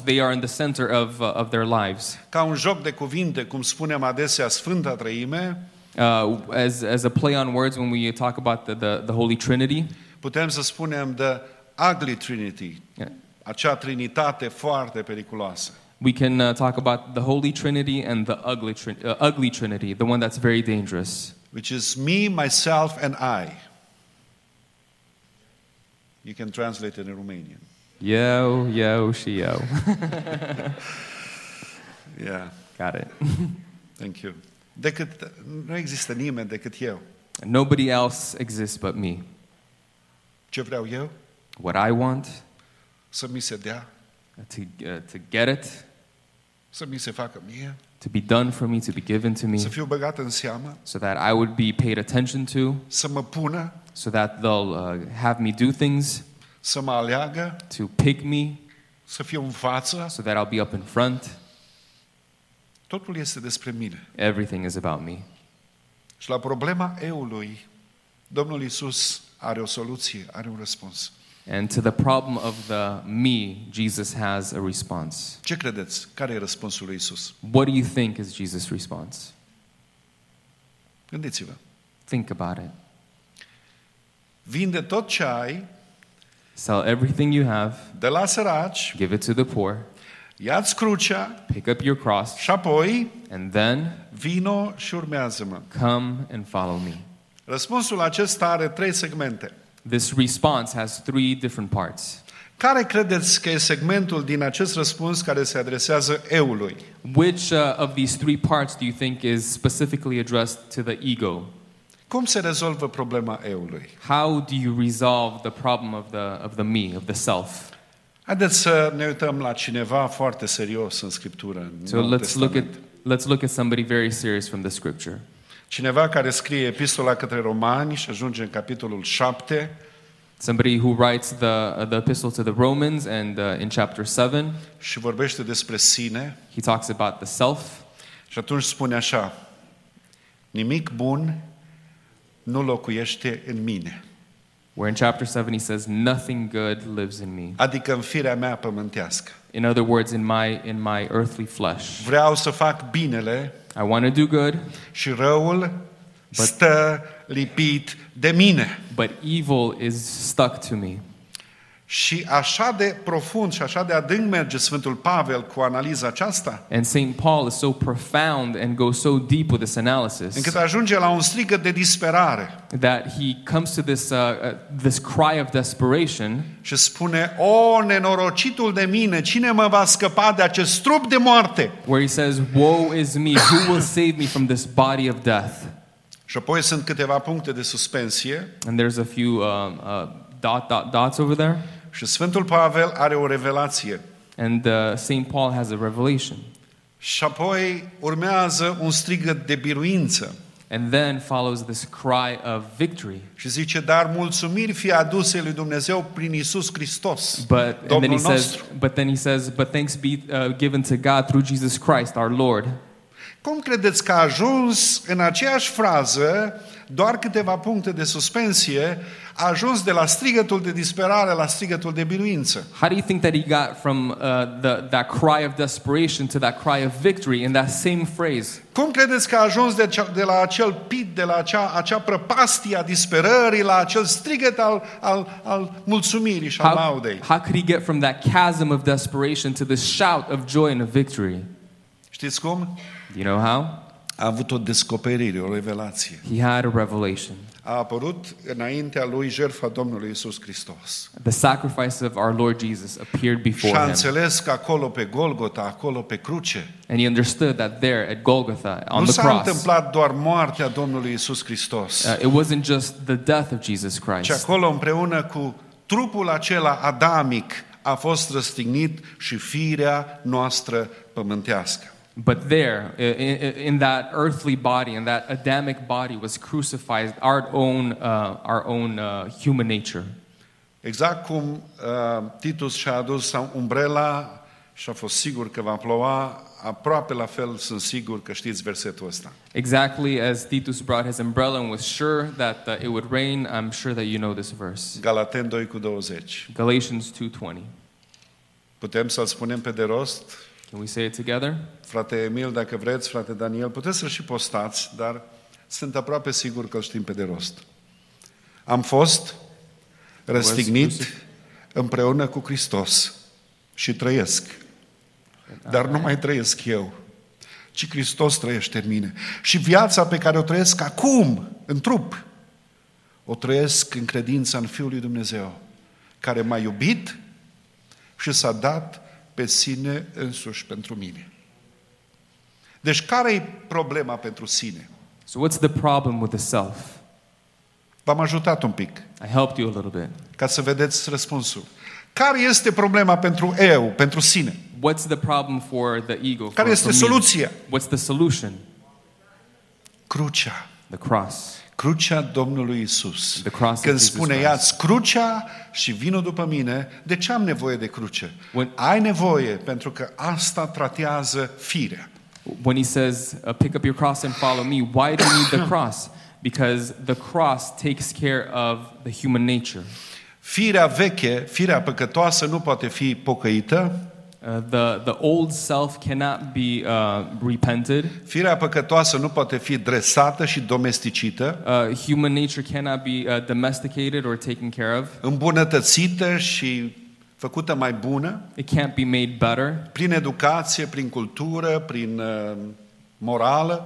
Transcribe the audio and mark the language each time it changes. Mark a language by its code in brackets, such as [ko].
[en] They are in the center of their lives. [ro] Ca un joc de cuvinte, cum spunem adesea, Sfânta Treime. [en] As a play on words when we talk about the Holy Trinity. [ro] Putem să spunem [en] the ugly Trinity. Yeah. [ro] Acea trinitate foarte periculoasă. [en] We can talk about the Holy Trinity and the ugly Trinity, the one that's very dangerous. Which is me, myself and I. You can translate it in Romanian. [ro] Eu, eu și eu. [en] Yeah. Got it. Thank you. [ro] Decât, nu există nimeni decât eu. [en] Nobody else exists but me. [ro] Ce vreau eu? [en] What I want. [ro] Să mi se dea. [en] To get it. [ro] Să mi se facă mie. [en] To be done for me, to be given to me. [ro] Să fiu băgat în seamă. [en] So that I would be paid attention to. [ro] Să mă pună. [en] So that they'll have me do things. [ro] Să mă aleagă. [en] To pick me. [ro] să fiu în față. [en] So that I'll be up in front. [ro] Totul este despre mine. [en] Everything is about me. [ro] Și la problema eului, Domnul Iisus are o soluție, are un răspuns. [en] And to the problem of the me, Jesus has a response. [ro] Ce credeți? Care e răspunsul lui Iisus? [en] What do you think is Jesus' response? [ro] Gândiți-vă. [en] Think about it. [ro] Vinde tot ce ai. [en] Sell everything you have. [ro] De la săraci. [en] Give it to the poor. [ro] Ia-ți crucea. [en] Pick up your cross. [ro] Și apoi. [en] And then. [ro] Vino și urmează-mă. [en] Come and follow me. [ro] Răspunsul acesta are trei segmente. [en] This response has three different parts. [ro] Care credeți că e segmentul din acest răspuns care se adresează eului? [en] Which of these three parts do you think is specifically addressed to the ego? [ro] Cum se rezolvă problema eului? [en] How do you resolve the problem of the me, of the self? [ro] Haideți să ne uităm la cineva foarte serios în Scriptură. [en] So let's look at somebody very serious from the Scripture. [ro] Cineva care scrie epistola către Romani și ajunge în capitolul 7. [en] Somebody who writes the epistle to the Romans and in chapter 7. [ro] Și vorbește despre sine. [en] He talks about the self. [ro] Și atunci spune așa: nimic bun nu locuiește în mine. [en] Where in chapter 7 he says nothing good lives in me. [ro] Adică în firea mea pământească. [en] In other words, in my earthly flesh. [ro] Vreau să fac binele. [en] I want to do good. [ro] Și răul stă lipit de mine. [en] But evil is stuck to me. [ro] Și așa de profund și așa de adânc merge Sfântul Pavel cu analiza aceasta. [en] And Saint Paul is so profound and goes so deep with this analysis. [ro] Încât ajunge la un strigăt de disperare. [en] That he comes to this cry of desperation. [ro] Și spune: o, nenorocitul de mine, cine mă va scăpa de acest trup de moarte? [en] Where he says, woe is me, who will save me from this body of death? [ro] Și apoi sunt câteva puncte de suspensie. [en] And there's a few dots over there. [ro] Și Sfântul Pavel are o revelație. [en] And Saint Paul has a revelation. [ro] Și apoi urmează un strigăt de biruință. [en] And then follows this cry of victory. [ro] Și zice: dar mulțumiri fie aduse lui Dumnezeu prin Iisus Hristos, Domnul nostru. [en] But thanks be given to God through Jesus Christ, our Lord. [ro] Cum credeți că a ajuns în aceeași frază, doar câteva puncte de suspensie, a ajuns de la strigătul de disperare la strigătul de biruință? [en] How do you think that he got from that cry of desperation to that cry of victory in that same phrase? [ro] Cum credeți că a ajuns de la acel pit, de la acea prăpastie a disperării, la acel strigăt al mulțumirii și al laudei? [en] How could he get from that chasm of desperation to this shout of joy and of victory? [ro] Știți cum? [en] You know how? [ro] A avut o descoperire, o revelație. [en] He had a revelation. [ro] A apărut înaintea lui jertfa Domnului Iisus Hristos. [en] The sacrifice of our Lord Jesus appeared before him. [ro] Și a înțeles că acolo pe Golgota, acolo pe cruce. [en] And he understood that there at Golgotha, on the cross. [ro] Nu s-a întâmplat doar moartea Domnului Iisus Hristos. [en] It wasn't just the death of Jesus Christ. [ro] Ci acolo împreună cu trupul acela adamic a fost răstignit și firea noastră pământească. [en] But there, in that earthly body, in that Adamic body, was crucified our own human nature. [ro] Exact cum Titus și-a adus umbrela și a fost sigur că va ploua, aproape la fel sunt sigur că știți versetul ăsta. [en] Exactly as Titus brought his umbrella and was sure that it would rain, I'm sure that you know this verse. [ro] Galateni 2:20. [en] Galatians 2:20. [ro] Putem să-l spunem pe de rost? [en] Can we say it together? [ro] Frate Emil, dacă vreți, frate Daniel, puteți să-l și postați, dar sunt aproape sigur că-l știm pe de rost. Am fost răstignit împreună cu Hristos și trăiesc. Dar nu mai trăiesc eu, ci Hristos trăiește în mine. Și viața pe care o trăiesc acum, în trup, o trăiesc în credința în Fiul lui Dumnezeu, care m-a iubit și s-a dat pe sine însuși pentru mine. Deci care e problema pentru sine? [en] So what's the problem with the self? [ro] V-am ajutat un pic. [en] I helped you a little bit. [ro] Ca să vedeți răspunsul. Care este problema pentru eu, pentru sine? [en] What's the problem for the ego? [ro] Care este soluția? [en] What's the solution? [ro] Crucea. [en] The cross. [ro] crucea Domnului Iisus. [en] The cross [ro] când [en] of [ro] spune, [en] Jesus [ro] ia-ți crucea și vină după mine, de ce am nevoie de cruce? [en] When, [ro] ai nevoie pentru că asta tratează firea. [en] When he says, pick up your cross and follow me, why do you need the cross? Because the cross takes care of the human nature. [ro] Firea veche, firea păcătoasă nu poate fi pocăită. [en] The old self cannot be repented. [ro] Firea păcătoasă nu poate fi dresată și domesticită. [en] Human nature cannot be domesticated or taken care of. [ro] Îmbunătățită și făcută mai bună. [en] It can't be made better. [ro] Prin educație, prin cultură, prin morală.